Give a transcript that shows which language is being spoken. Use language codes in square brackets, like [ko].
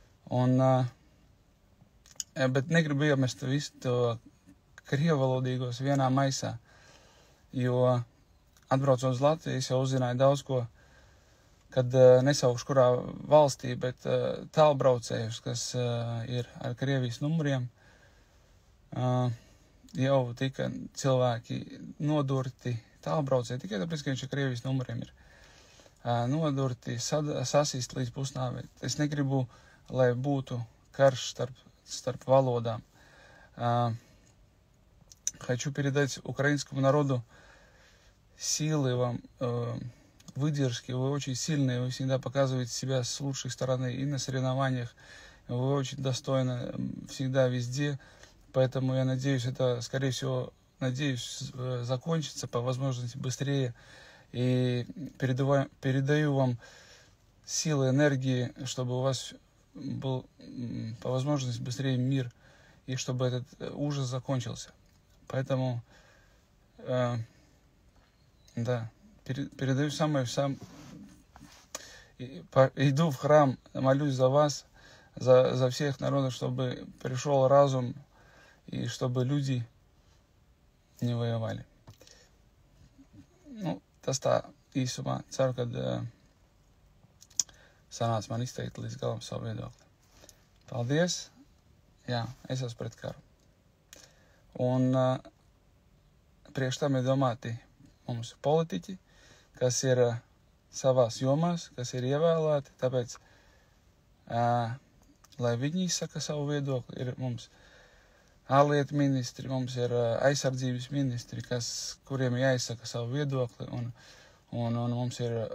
[lv] Un, bet negribu iemest visu to krievvalodīgos vienā maisā, jo atbraucot uz Latviju, es jau uzzināju daudz ko, kad nesaukšu kurā valstī, bet tālbraucējus, kas ir ar Krievijas numuriem, jau tika cilvēki nodurti tālbraucēji, tikai tāpēc, ka viņš ar Krievijas numuriem ir nodurti, sasīst līdz pusnāvē. Es negribu, lai būtu karš starp valodām. [ru] Хочу передать украинскому народу силы вам, выдержки, вы очень сильные, вы всегда показываете себя с лучшей стороны и на соревнованиях, вы очень достойны всегда везде, поэтому я надеюсь, это, скорее всего, надеюсь, закончится по возможности быстрее, и передаю вам силы, энергии, чтобы у вас был по возможности быстрее мир, и чтобы этот ужас закончился. Поэтому, да, передаю самое, иду в храм, молюсь за вас, за всех народов, чтобы пришел разум и чтобы люди не воевали. Ну, таста Иисума церковь, да, санат маниста и тлизгалам собой доктор. [lv] Paldies, jā, es esmu pret karu. Un priekš tam ir domāti mums politiķi, kas ir savās jomās, kas ir ievēlēti, tāpēc, lai viņi izsaka savu viedokli, ir mums ārlietu ministri, mums ir aizsardzības ministri, kuriem jāizsaka savu viedokli, un mums ir